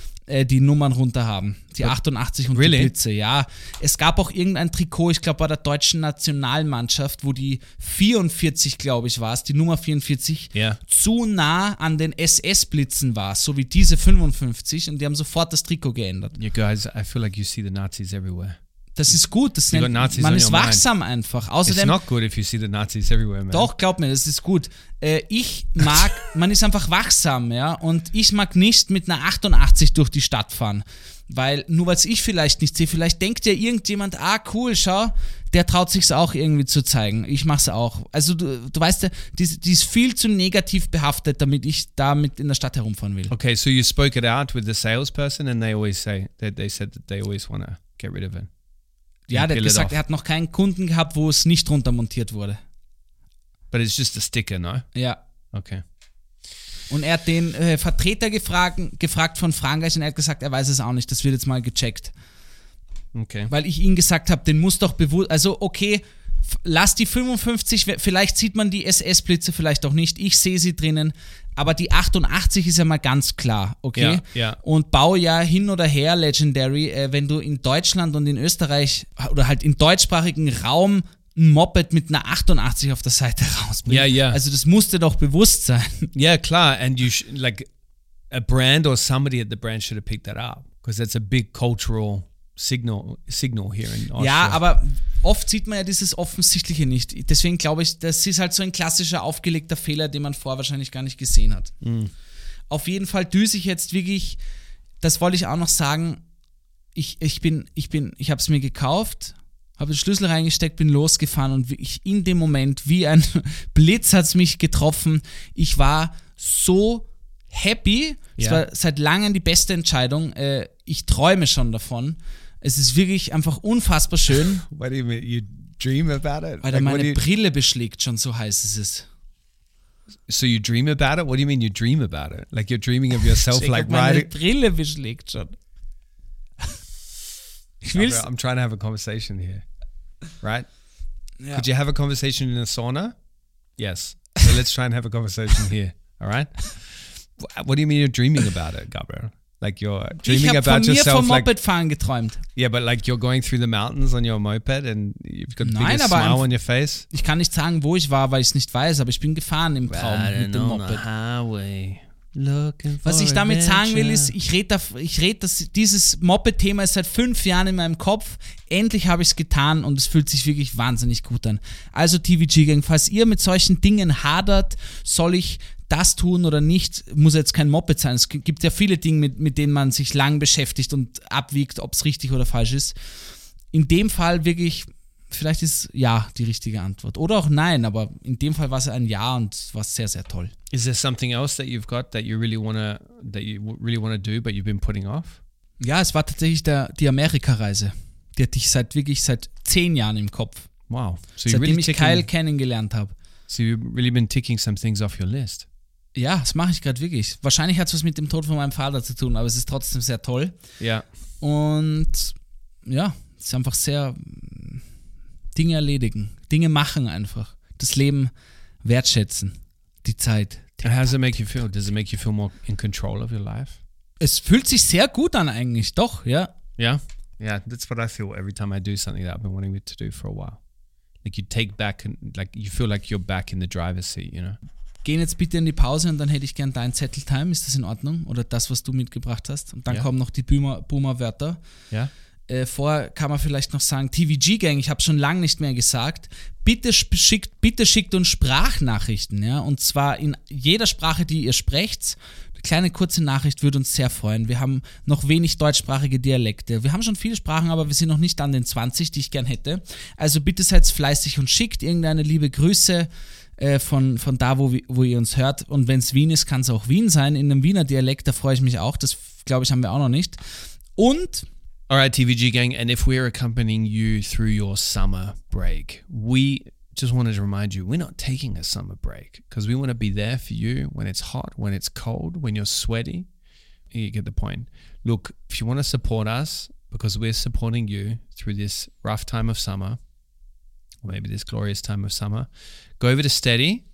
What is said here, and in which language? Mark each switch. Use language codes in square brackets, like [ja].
[de] die Nummern runter haben. Die 88 und [en] really? [de] Die Blitze, ja. Es gab auch irgendein Trikot, ich glaube, bei der deutschen Nationalmannschaft, wo die 44, glaube ich, war es, die Nummer 44, zu nah an den SS-Blitzen war, so wie diese 55 und die haben sofort das Trikot geändert. [en] Yeah, guys, I feel like you see the Nazis everywhere. [de] Das ist gut, das nennt, Nazis man ist wachsam einfach. Außerdem, [en] it's not good if you see the Nazis everywhere, man. [de] Doch, glaub mir, das ist gut. Ich mag, man ist einfach wachsam, ja, und ich mag nicht mit einer 88 durch die Stadt fahren, weil, nur weil ich vielleicht nicht sehe, vielleicht denkt ja irgendjemand, ah, cool, schau, der traut sich's auch irgendwie zu zeigen. Ich mach's auch. Also, du weißt ja, die ist viel zu negativ behaftet, damit ich damit in der Stadt herumfahren will. [en] Okay, so you spoke it out with the salesperson and they always say, they said that they always want to get rid of it. [de] Ja, der hat gesagt, er hat noch keinen Kunden gehabt, wo es nicht runter montiert wurde. [en] But it's just a sticker, no? [de] Ja. [en] Okay. [de] Und er hat den Vertreter gefragt von Frankreich und er hat gesagt, er weiß es auch nicht, das wird jetzt mal gecheckt. [en] Okay. [de] Weil ich ihm gesagt habe, den muss doch bewusst, also okay, lass die 55, vielleicht sieht man die SS-Blitze, vielleicht auch nicht, ich sehe sie drinnen, aber die 88 ist ja mal ganz klar, okay? Ja, ja. Und Baujahr hin oder her, Legendary, wenn du in Deutschland und in Österreich oder halt im deutschsprachigen Raum ein Moped mit einer 88 auf der Seite rausbringst. Ja, ja. Also das musste doch bewusst sein. Ja, klar. [en] And you like a brand or somebody at the brand should have picked that up, because that's a big cultural signal here in Austria. [de] Ja, aber oft sieht man ja dieses Offensichtliche nicht. Deswegen glaube ich, das ist halt so ein klassischer aufgelegter Fehler, den man vorher wahrscheinlich gar nicht gesehen hat. Mm. Auf jeden Fall düse ich jetzt wirklich, das wollte ich auch noch sagen, ich habe es mir gekauft, habe den Schlüssel reingesteckt, bin losgefahren und ich in dem Moment, wie ein Blitz hat es mich getroffen, ich war so happy, es war seit langem die beste Entscheidung, ich träume schon davon, es ist wirklich einfach unfassbar schön. [en] What do you mean, you dream about it? [de] Weil meine Brille beschlägt schon, so heiß es ist. [en] So you dream about it? What do you mean you dream about it? Like you're dreaming of yourself, Jacob, like riding? [de] Meine Brille beschlägt schon. [en] I'm trying to have a conversation here, right? Yeah. Could you have a conversation in a sauna? Yes. So let's try and have a conversation here, all right? What do you mean you're dreaming about it, Gabriel? Like you're dreaming about yourself. [de] Ich habe von mir vom Moped fahren geträumt. [en] Yeah, but like you're going through the mountains on your moped and you've got the biggest smile on your face. [de] Ich kann nicht sagen, wo ich war, weil ich es nicht weiß, aber ich bin gefahren im Traum [en] riding [de] mit dem Moped. [en] On the highway. [de] Was ich damit sagen will, ist, dieses Moped-Thema ist seit 5 Jahren in meinem Kopf. Endlich habe ich es getan und es fühlt sich wirklich wahnsinnig gut an. Also TVG-Gang, falls ihr mit solchen Dingen hadert, soll ich das tun oder nicht, muss jetzt kein Moped sein. Es gibt ja viele Dinge, mit denen man sich lang beschäftigt und abwiegt, ob es richtig oder falsch ist. In dem Fall wirklich, vielleicht ist ja die richtige Antwort. Oder auch nein, aber in dem Fall war es ein Ja und war sehr, sehr toll. [en] Is there something else that you've got that you really wanna do, but you've been putting off? [de] Ja, es war tatsächlich die Amerika-Reise. Die hatte ich seit 10 Jahren im Kopf. [en] Wow. [de] So seitdem [en] really [de] ich Kyle kennengelernt habe. [en] So you've really been ticking some things off your list. [de] Ja, das mache ich gerade wirklich. Wahrscheinlich hat es was mit dem Tod von meinem Vater zu tun, aber es ist trotzdem sehr toll. Ja. Und ja, es ist einfach sehr Dinge erledigen, Dinge machen einfach. Das Leben wertschätzen, die Zeit. [en] And how does it make you feel? Does it make you feel more in control of your life? [de] Es fühlt sich sehr gut an eigentlich, doch, ja. Ja, [en] yeah. Yeah, that's what I feel every time I do something that I've been wanting to do for a while. Like you take back, and like you feel like you're back in the driver's seat, you know. [de] Gehen jetzt bitte in die Pause und dann hätte ich gern dein Zettel-Time. Ist das in Ordnung? Oder das, was du mitgebracht hast? Und dann kommen noch die Boomer-Wörter. Ja. Vorher kann man vielleicht noch sagen, TVG-Gang, ich habe schon lange nicht mehr gesagt. Bitte schickt uns Sprachnachrichten, ja. Und zwar in jeder Sprache, die ihr sprecht. Eine kleine kurze Nachricht würde uns sehr freuen. Wir haben noch wenig deutschsprachige Dialekte. Wir haben schon viele Sprachen, aber wir sind noch nicht an den 20, die ich gern hätte. Also bitte seid fleißig und schickt irgendeine liebe Grüße von da, wo ihr uns hört. Und wenn es Wien ist, kann es auch Wien sein. In einem Wiener Dialekt, da freue ich mich auch. Das, glaube ich, haben wir auch noch nicht. Und [en] alright, TVG Gang, and if we're accompanying you through your summer break, we just wanted to remind you, we're not taking a summer break because we want to be there for you when it's hot, when it's cold, when you're sweaty. You get the point. Look, if you want to support us because we're supporting you through this rough time of summer, or maybe this glorious time of summer, go over to Steady.